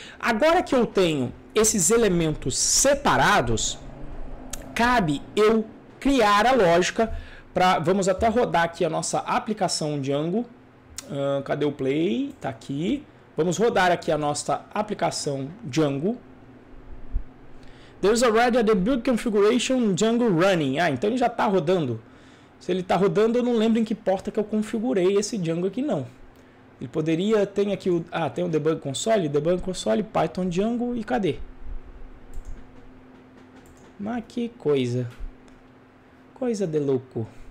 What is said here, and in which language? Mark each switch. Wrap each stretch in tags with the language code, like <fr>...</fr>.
<pt>Agora que eu tenho esses elementos separados, cabe eu criar a lógica. Vamos até rodar aqui a nossa aplicação Django. Cadê o play? Tá aqui. Vamos rodar aqui a nossa aplicação Django.</pt> <en>There's already a debug configuration Django running.</en> <pt>Ah, então ele já está rodando. Se ele está rodando, eu não lembro em que porta que eu configurei esse Django aqui, não. Ele poderia... Tem aqui o... Ah, tem o debug console. Debug console, Python Django e cadê? Mas que coisa. Coisa de louco.</pt>